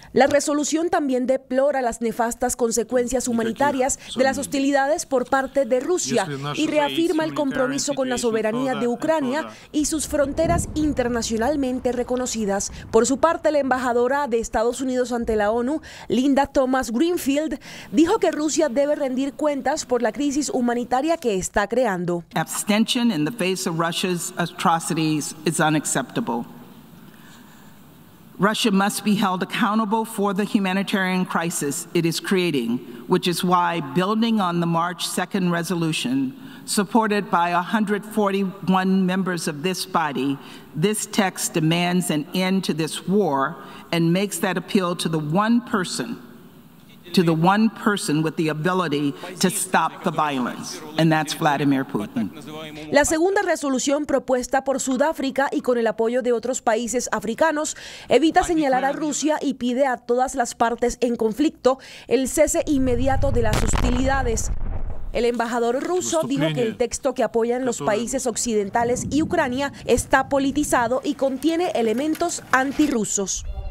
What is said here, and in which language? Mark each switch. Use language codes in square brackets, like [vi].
[es] La resolución también deplora las nefastas consecuencias humanitarias de las hostilidades por parte de Rusia y reafirma el compromiso con la soberanía de Ucrania y sus fronteras internacionalmente reconocidas. Por su parte, la embajadora de Estados Unidos ante la ONU, Linda Thomas-Greenfield, dijo que Rusia debe rendir cuentas por la crisis humanitaria que está creando. [en] Abstention in the face of Russia's atrocities is unacceptable. Russia must be held accountable for the humanitarian crisis it is creating, which is why building on the March 2nd resolution, supported by 141 members of this body, this text demands an end to this war and makes that appeal to the one person with the ability to stop the violence, and that's Vladimir Putin. [es] La segunda resolución, propuesta por Sudáfrica y con el apoyo de otros países africanos, evita señalar a Rusia y pide a todas las partes en conflicto el cese inmediato de las hostilidades. El embajador ruso dijo que el texto que apoyan los países occidentales y Ucrania está politizado y contiene elementos antirrusos.